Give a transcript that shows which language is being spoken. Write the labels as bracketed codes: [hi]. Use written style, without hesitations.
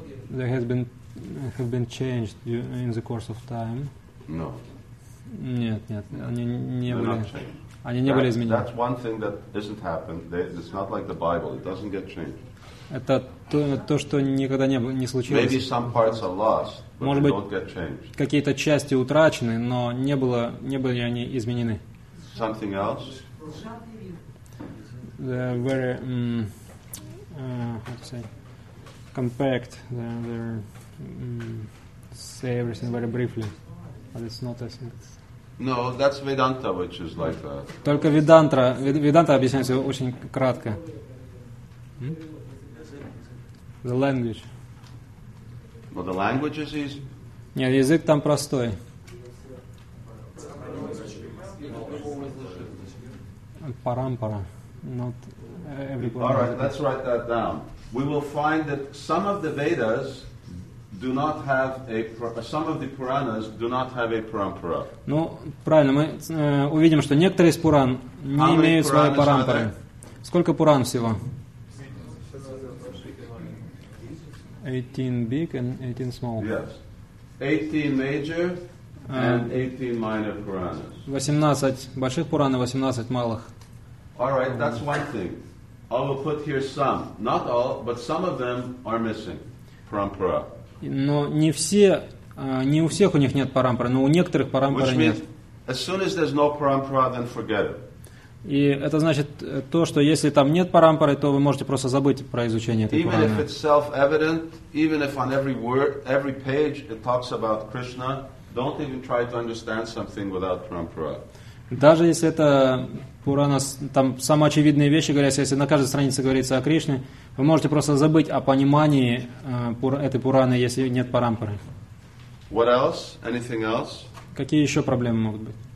[en] There have been changed in the course of time. No. [ru] Нет, они не были изменены. [en] That's one thing that isn't happened. It's not like the Bible. It doesn't get changed. [ru] Это то, что никогда не случилось. [en] Maybe some parts are lost, but they don't get changed. [ru] Какие-то части утрачены, но не были они изменены. [en] Something else? They're very how to say compact. They're say everything very briefly. But it's not as it's... No, that's Vedanta, which is like that. [ru] Только Vedanta. Vedanta объясняется очень кратко. [en] The language. Well, the language is easy. [ru] Нет, язык там простой. [en] Парампара. Not every part. All right, let's write that down. We will find that some of the Vedas do not have some of the Puranas do not have a parampara. [ru] Ну, правильно, мы увидим, что некоторые из Пуран не имеют своей парампары. Сколько Пуран всего? [en] 18 big and 18 small. Yes. 18 major and 18 minor Puranas. [ru] 18 больших Пуран и 18 малых. [en] All right, that's one thing. I will put here some. Not all, but some of them are missing parampara. [ru] Но не все, не у всех у них нет парампары, но у некоторых парампары нет. [en] As soon as there's no parampara, then forget it. [ru] И это значит то, что если там нет парампары, то вы можете просто забыть про изучение этой парампары. [en] Even if it's self-evident, even if on every word, every page it talks about Krishna, don't even try to understand something without parampara. [ru] Даже если это Пурана, там самые очевидные вещи говорят, если на каждой странице говорится о Кришне, вы можете просто забыть о понимании этой Пураны, если нет парампары. [en] What else? Anything else? [ru] Какие еще проблемы могут быть?